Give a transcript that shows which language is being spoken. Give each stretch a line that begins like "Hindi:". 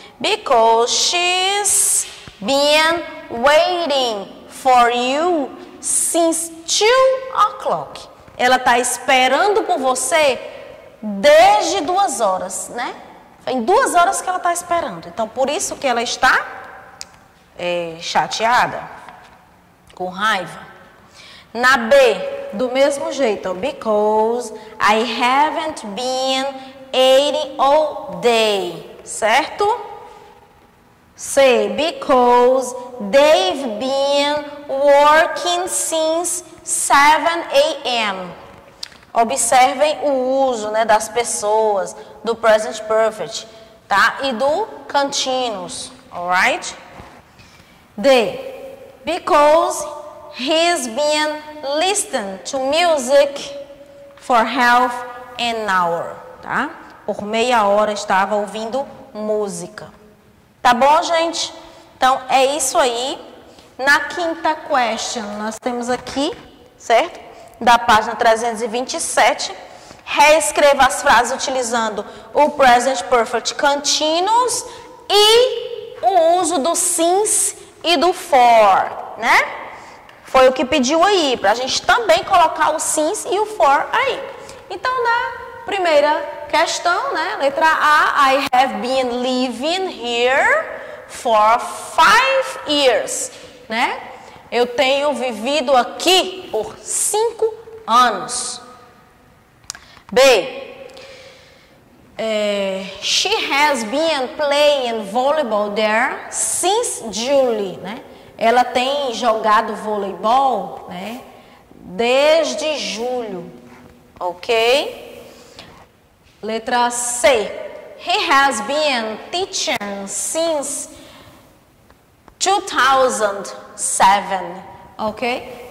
English: Because she's been waiting for you since 2 o'clock.
Portuguese: Ela tá esperando por você desde 2 horas, né? Em 2 horas que ela tá esperando. Então, por isso que ela está chateada, com raiva. Na B, do mesmo jeito,
English: because I haven't been eating all day, certo? C, because they've been working since 7 a.m.
Portuguese: Observem o uso, né, das pessoas, do present perfect, tá? E do continuous, alright?
English: D, because he's been listening to music for half an hour, tá?
Portuguese: Por meia hora estava ouvindo música. Tá bom, gente? Então, é isso aí. Na quinta question, nós temos aqui, certo? Da página 327. Reescreva as frases utilizando o present perfect continuous e o uso do since e do for, né? Foi o que pediu aí, pra gente também colocar o since e o for aí. Então, na primeira questão, né?
English: Letra A, I have been living here for 5 years, né?
Portuguese: Eu tenho vivido aqui por 5 anos.
English: B, she has been playing volleyball there since July, né?
Portuguese: Ela tem jogado voleibol, né, desde julho, ok?
English: Letra C. He has been teaching since 2007, ok?